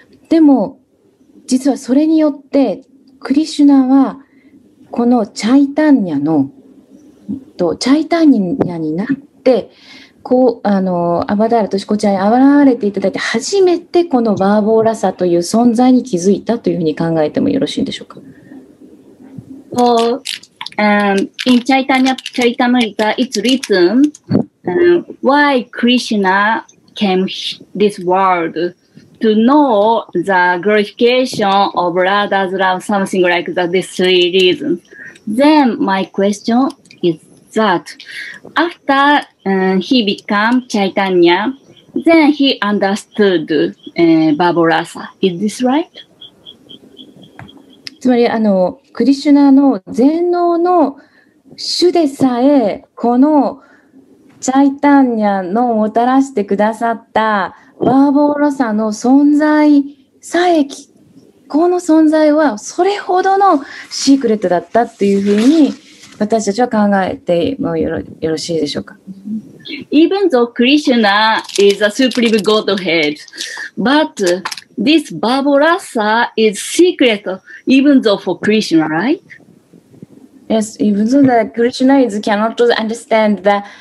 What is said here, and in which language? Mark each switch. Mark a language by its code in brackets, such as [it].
[ja] でも実はそれによってクリシュナはこのチャイタンニャのとチャイタンニャになってこうアバダーラとしこちゃんに現れていただいて初めてこのバーボーラサという存在に気づいたというふうに考えてもよろしいんでしょうか。 [en] So, in Chaitanya Charitamrita, it's written why Krishna came this world to know the glorification of Radha's love, something like that, these three reasons. Then my question is that after he became Chaitanya, then he understood Babarasa. Is this right? [ja] つまりクリシュナの全能の主でさえこのチャイタンニャのもたらしてくださったバーボーロサの存在さえこの存在はそれほどのシークレットだったというふうに私たちは考えてもよろしいでしょうか。 [en] Even though Krishna is a supreme Godhead, but this Babarasa is secret, even though for Krishna, right? Yes, even though that Krishna is cannot understand that.